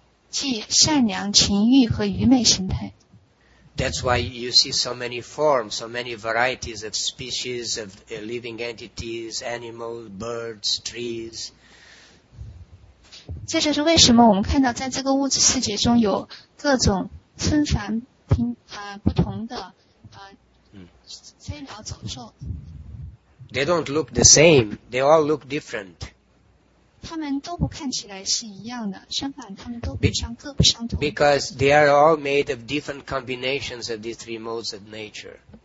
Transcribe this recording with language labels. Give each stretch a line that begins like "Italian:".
Chinese: 即善良、情欲和愚昧心态。
English: That's why you see so many forms, so many varieties of species, of living entities, animals, birds, trees.
Chinese: 这就是为什么我们看到在这个物质世界中有各种纷繁不同的飞鸟走兽。
English: They don't look the same. They all look different.
Chinese: 他们都不看起来是一样的，相反，他们都不相同。
English: Because they are all made of different combinations of these three modes of nature.